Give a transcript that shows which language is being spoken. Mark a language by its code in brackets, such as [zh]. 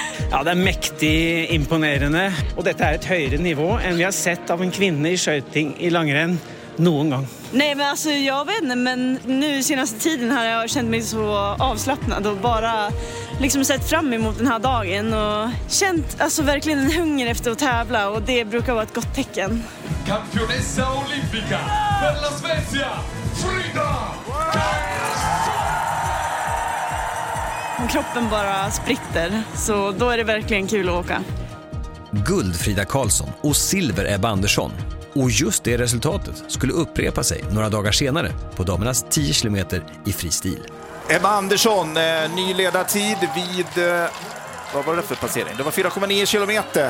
[sv] Ja, det är mäktigt, imponerande. Och detta är ett högre nivå än vi har sett av en kvinna i [no] skøyting i langrenn [sv] någon gång. Nej, men alltså jag vet inte, men nu senaste tiden här jag har känt mig så avslappnad och bara liksom sett fram emot den här dagen och känt alltså verkligen en hunger efter att tävla, och det brukar vara ett gott tecken. [it] Campionessa Olympica, per la Svezia, Frida! [sv] Kroppen bara spritter, så då är det verkligen kul att åka. Guld Frida Karlsson och silver Ebba Andersson. Och just det resultatet skulle upprepa sig några dagar senare på damernas 10 km i fristil. Ebba Andersson, ny ledartid vid, vad var det för passering? Det var 4,9 km.